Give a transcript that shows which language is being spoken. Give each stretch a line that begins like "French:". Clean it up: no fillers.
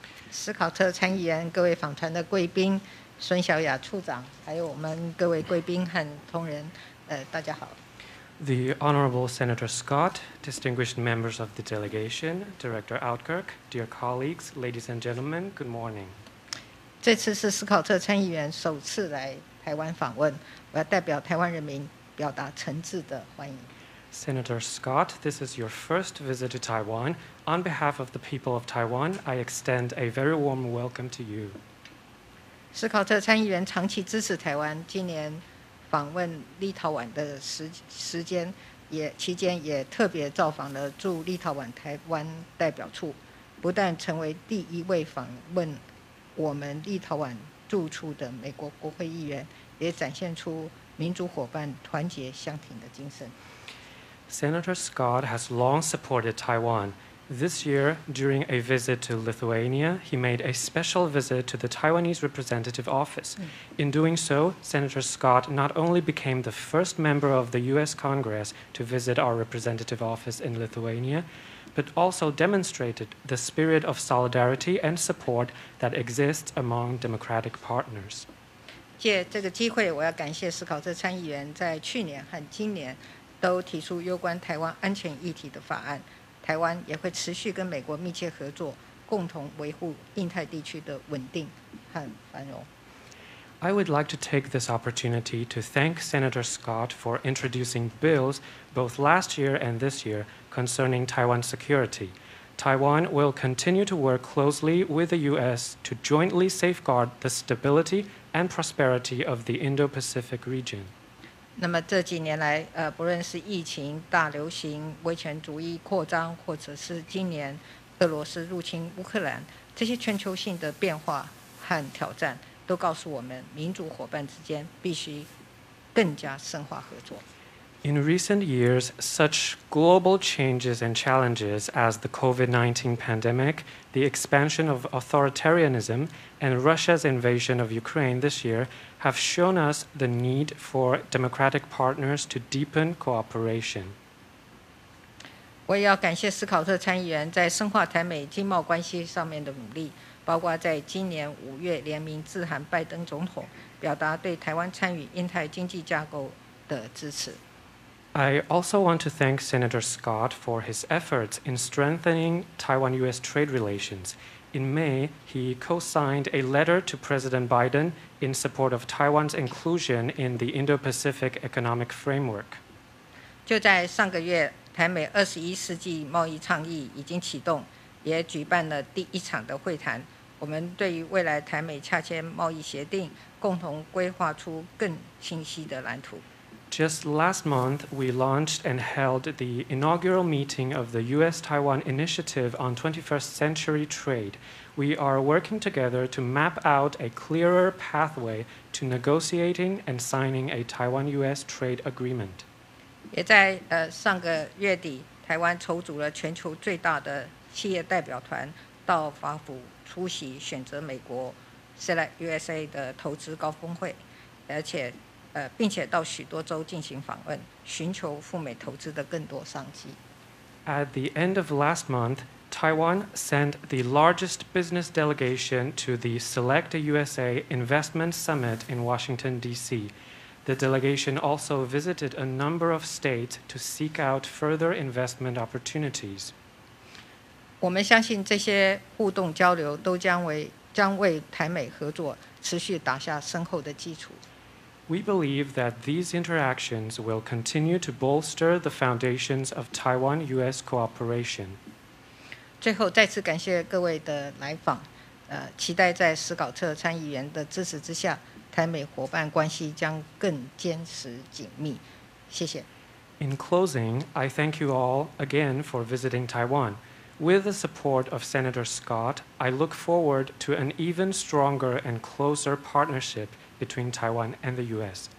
Chinese: 史考特参议员、各位访团的贵宾、孙小雅处长，还有我们各位贵宾和同仁，大家好。
English: The Honorable Senator Scott, distinguished members of the delegation, Director Outkirk, dear colleagues, ladies and gentlemen, good morning.
Chinese: 这次是史考特参议员首次来台湾访问，我要代表台湾人民表达诚挚的欢迎。
English: Senator Scott, this is your first visit to Taiwan. On behalf of the people of Taiwan, I extend a very warm welcome to you.
Chinese: 史考特参议员长期支持台湾，今年访问立陶宛的时间也期间也特别造访了驻立陶宛台湾代表处，不但成为第一位访问我们立陶宛驻处的美国国会议员，也展现出民主伙伴团结相挺的精神。
English: Senator Scott has long supported Taiwan. This year, during a visit to Lithuania, he made a special visit to the Taiwanese representative office. In doing so, Senator Scott not only became the first member of the U.S. Congress to visit our representative office in Lithuania, but also demonstrated the spirit of solidarity and support that exists among democratic partners.
Chinese: 借这个机会，我要感谢史考特参议员在去年和今年都提出攸关台湾安全议题的法案，台湾也会持续跟美国密切合作，共同维护印太地区的稳定和繁荣。
English: I would like to take this opportunity to thank Senator Scott for introducing bills both last year and this year concerning Taiwan security. Taiwan will continue to work closely with the U.S. to jointly safeguard the stability and prosperity of the Indo-Pacific region.
Chinese: 那么这几年来，不论是疫情大流行、威权主义扩张，或者是今年俄罗斯入侵乌克兰，这些全球性的变化和挑战，都告诉我们，民主伙伴之间必须更加深化合作。
English: In recent years, such global changes and challenges as the COVID-19 pandemic, the expansion of authoritarianism, and Russia's invasion of Ukraine this year have shown us the need for democratic partners to deepen cooperation.
Chinese: 我也要感谢史考特参议员在深化台美经贸关系上面的努力，包括在今年五月联名致函拜登总统，表达对台湾参与印太经济架构的支持。
English: I also want to thank Senator Scott for his efforts in strengthening Taiwan-U.S. trade relations. In May, he co-signed a letter to President Biden in support of Taiwan's inclusion in the Indo-Pacific Economic Framework.
Chinese: 就在上个月，台美二十一世纪贸易倡议已经启动，也举办了第一场的会谈。我们对于未来台美洽签贸易协定，共同规划出更清晰的蓝图。
English: Just last month, we launched and held the inaugural meeting of the U.S.-Taiwan Initiative on 21st Century Trade. We are working together to map out a clearer pathway to negotiating and signing a Taiwan-U.S. trade agreement.
Chinese: 也在上个月底，台湾筹组了全球最大的企业代表团到华府出席选择美国 Select USA 的投资高峰会，而且。并且到许多州进行访问，寻求赴美投资的更多商机。
English: At the end of last month, Taiwan sent the largest business delegation to the Select USA Investment Summit in Washington, D.C. The delegation also visited a number of states to seek out further investment opportunities.
Chinese: 我们相信这些互动交流都将为台美合作持续打下深厚的基础。
English: We believe that these interactions will continue to bolster the foundations of Taiwan-U.S. cooperation.
Chinese: 最后再次感谢各位的来访，期待在史考特参议员的支持之下，台美伙伴关系将更坚实紧密。谢谢。
English: In closing, I thank you all again for visiting Taiwan. With the support of Senator Scott, I look forward to an even stronger and closer partnership between Taiwan and the U.S.